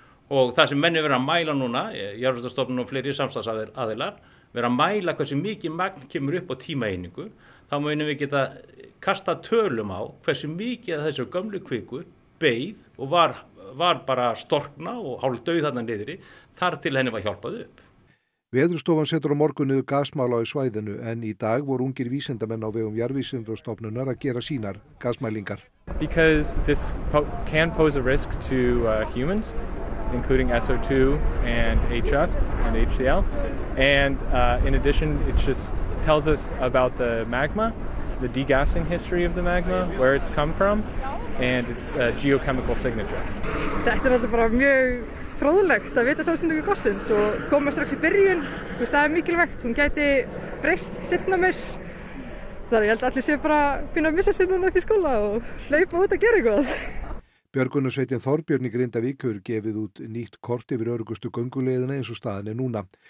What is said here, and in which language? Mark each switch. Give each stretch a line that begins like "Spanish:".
Icelandic: Og það sem menn vera að mæla núna, jarðvísindastofnun og fleiri samstarfsaðilar, vera að mæla hversu mikið magn kemur upp á tímaeiningu, þá munum við geta kasta tölum á hversu mikið af þessu gömlu kviku beið og var bara storkna og hálf dauð þarna niðri þar til henni var hjálpað upp. Veðurstofan setur á morgun niður gasmála á svæðinu en í dag voru ungir vísindamenn á vegum jarðvísindastofnunar að gera sínar gasmælingar.
English: Because this can pose a risk to humans, including SO2 and HF and HCl. And in addition, it just tells us about the magma, the degassing history of the magma, where it's come from, and its geochemical signature.
Icelandic: Þetta náttúrulega bara mjög fróðlegt að vita samsetningu gossins og koma strax í byrjun, veist, það mikilvægt, hún gæti breyst seinna meir. Þar ég held að allir séu bara fínu að missa sig núna upp í skóla og hleypa út að gera eitthvað. Björgunarsveitin Þorbjörn í Grindavík hefur gefið út nýtt kort yfir öruggustu gönguleiðina eins og staðan er núna.